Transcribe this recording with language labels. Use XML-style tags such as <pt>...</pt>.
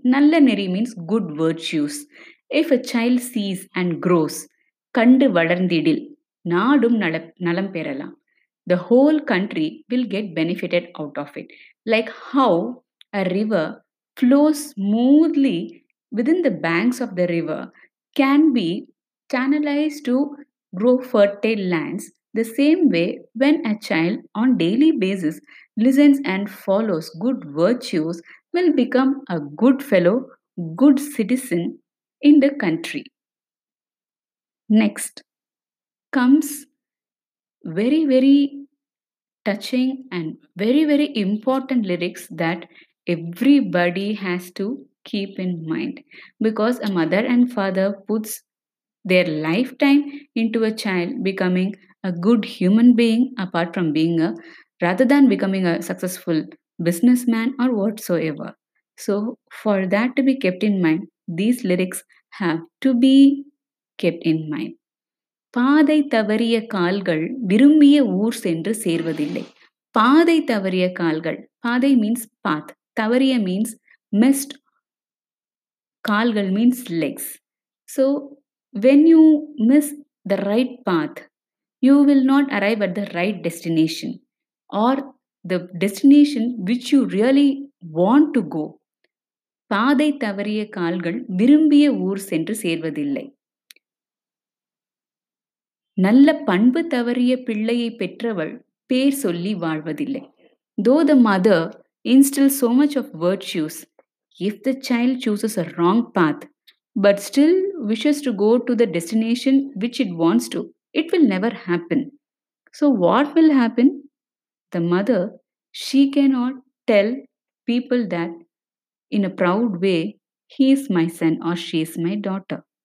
<ta>நல்ல நெறி</ta> <en>Means good virtues. If a child sees and grows,</en> <ta>கண்டு வளர்ந்திடில் நாடும் நலம் பெறலாம்.</ta> <en>The whole country will get benefitted out of it. Like how a river flows smoothly within the banks of the river can be channelise to grow fertile lands. The same way, when a child on daily basis listens and follows good virtues, will become a good fellow, good citizen in the country. Next comes very, very touching and very, very important lyrics that everybody has to keep in mind, because a mother and father puts their lifetime into a child becoming a good human being, apart from being a, rather than becoming a successful businessman or whatsoever. So for that to be kept in mind, these lyrics have to be kept in mind.</en> <ta>பாதை தவறிய கால்கள் விரும்பிய ஊர் சென்று சேர்வதில்லை. பாதை தவறிய கால்கள், பாதை</ta> <en>means path,</en> <ta>தவறிய</ta> <en>means missed,</en> <ta>கால்கள்</ta> <en>Means legs. So when you miss the right path, you will not arrive at the right destination or the destination which you really want to go.</en> <ta>பாதை தவறிய கால்கள் விரும்பிய ஊர் சென்று சேர்வதில்லை. நல்ல பண்பு தவறிய பிள்ளையை பெற்றவள் பேர் சொல்லி வாழ்வதில்லை.</ta> <en>Though the mother instills so much of virtues, if the child chooses a wrong path but still wishes to go to the destination which it wants to, it will never happen. So what will happen? The mother, she cannot tell people that in a proud way, he is my son or she is my daughter.</en>